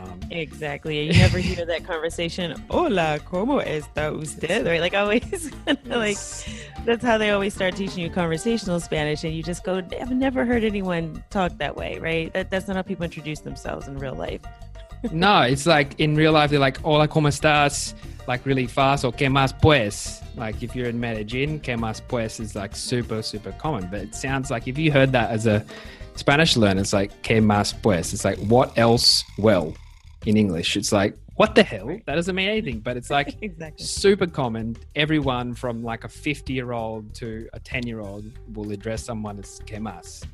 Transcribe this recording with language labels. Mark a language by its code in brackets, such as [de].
[en] Exactly. You never hear that conversation, [es] hola, ¿cómo está usted? [en] Right? Like, always, like, that's how they always start teaching you conversational Spanish. And you just go, I've never heard anyone talk that way, right? That's not how people introduce themselves in real life. No, it's like in real life, they're like, [es] hola, ¿cómo estás? [en] Like, really fast, or [es] ¿qué más pues? [en] Like, if you're in Medellin, ¿qué más pues? Is like super, super common. But it sounds like if you heard that as a Spanish learner, it's like, [es] ¿qué más pues? [en] It's like, what else, well, in English? It's like, what the hell? That doesn't mean anything. But it's like super common. Everyone from like a 50-year-old to a 10-year-old will address someone as [es] ¿qué más?